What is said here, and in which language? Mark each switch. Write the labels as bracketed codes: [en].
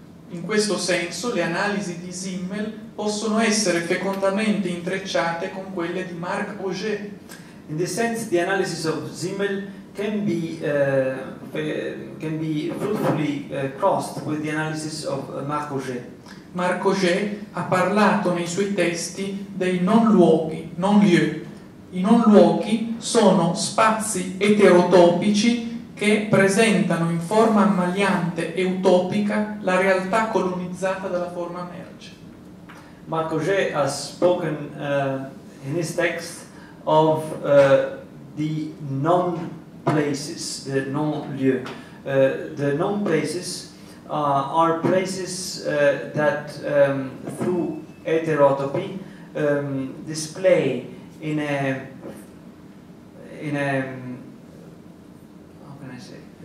[it] In questo senso, le analisi di Zimmel possono essere fecondamente intrecciate con quelle di Marc Auger. [en] In this sense, the analysis of Zimmel can be fruitfully crossed with the analysis of Marc Auger. [it] Marc Auger ha parlato nei suoi testi dei non luoghi, non lieu. I non luoghi sono spazi eterotopici che presentano in forma ammaliante e utopica la realtà colonizzata dalla forma merce. [en] Marc Auger has spoken in his text of the non places, the non lieu. The non places are places that through eterotopy display in a how can I say